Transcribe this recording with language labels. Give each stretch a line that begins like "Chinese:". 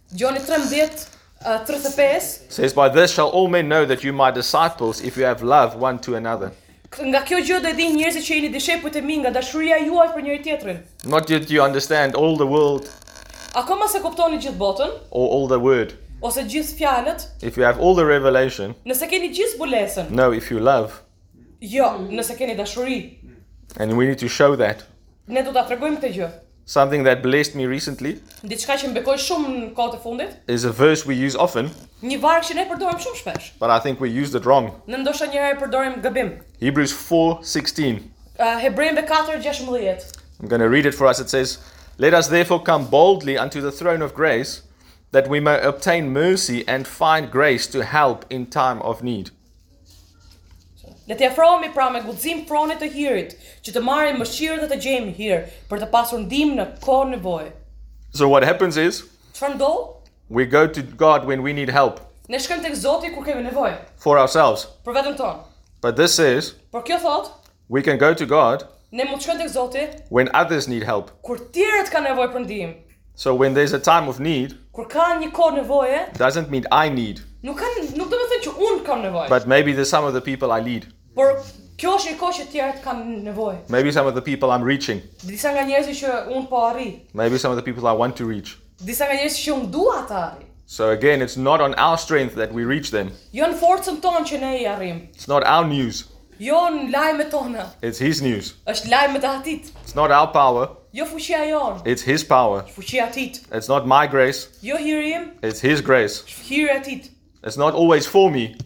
English: John 13:35 says, by this shall all men know that you are my disciples if you have love one to another.
Albanian: Nga kjo gjë do dinë njerëzit që jeni dishepujt e mi nga dashuria juaj për njëri tjetrin.
English: Not yet you understand all the world.
Albanian: Akoma se kuptoni gjithë botën.
English: Or all the word.
Albanian: Ose gjithë fjalët.
English: If you have all the revelation.
Albanian: Nëse keni gjithë zbulesën.
English: No, if you love.
Albanian: Jo, nëse keni dashuri.
English: And we need to show that.
Albanian: Ne do ta tregojmë këtë gjë.
English: Something that blessed me recently.
Albanian: Diçka që më bekoi shumë në kohët e fundit.
English: Is a verse we use often.
Albanian: Një varg që ne përdorim shumë shpesh.
English: But I think we used it wrong.
Albanian: Ne ndoshta një herë përdorim gabim.
English: Hebrews 4:16.
Albanian: Hebrejve 4:16.
English: I'm going to read it for us. It says, "Let us therefore come boldly unto the throne of grace, that we may obtain mercy and find grace to help in time of need."
Albanian: Le t'i afrohemi pra me guxim pronë të hirit, që të marrim mëshirë dhe të gjejmë hir për të pasur ndihmë në kohë nevoje.
English: So what happens is? Trundle? We go to God when we need help.
Albanian: Ne shkojmë tek Zoti kur kemi nevojë.
English: For ourselves.
Albanian: Për veten tonë.
English: But this is?
Albanian: Por kjo thot?
English: We can go to God.
Albanian: Ne mund të shkojmë tek Zoti.
English: When others need help.
Albanian: Kur tjerët kanë nevojë për ndihmë.
English: So when there's a time of need.
Albanian: Kur ka një kohë nevoje.
English: Doesn't mean I need.
Albanian: Nuk do të thotë që un kam nevojë.
English: But maybe there's some of the people I lead.
Albanian: Por kjo është një kohë që tjerët kanë nevojë.
English: Maybe some of the people I'm reaching.
Albanian: Disa nga njerëzit që un po arri.
English: Maybe some of the people I want to reach.
Albanian: Disa nga njerëzit që un dua ta arri.
English: So again, it's not on our strength that we reach them.
Albanian: Jo në forcën tonë që ne i arrim.
English: It's not our news.
Albanian: Jo në lajmet tona.
English: It's his news.
Albanian: Është lajmet e Atit.
English: It's not our power.
Albanian: Jo fuqia jonë.
English: It's his power.
Albanian: Fuqia e Atit.
English: It's not my grace.
Albanian: Jo hiri im.
English: It's his grace.
Albanian: Hiri e Atit.
English: It's not always for me.